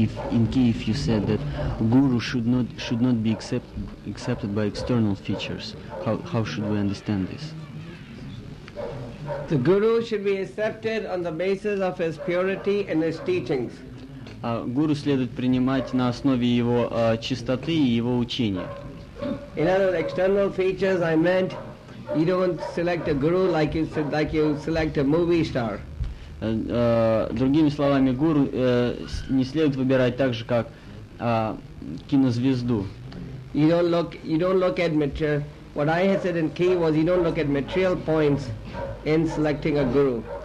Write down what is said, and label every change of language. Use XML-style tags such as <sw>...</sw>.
<en>In Kiev, you said that guru should not be accepted by external features. How should we understand this? The guru should be accepted on the basis of his purity and his teachings.</en> <ru>Guru следует принимать на основе его чистоты и его учения.</ru> <en>In other words, external features, I meant, you don't select a guru like you select a movie star.</en> <ru>Другими словами, гуру не следует выбирать так же, как кинозвезду.</ru> <en>You don't look at material. What I had said in Kiev was, you don't look at material points in selecting a guru.</en>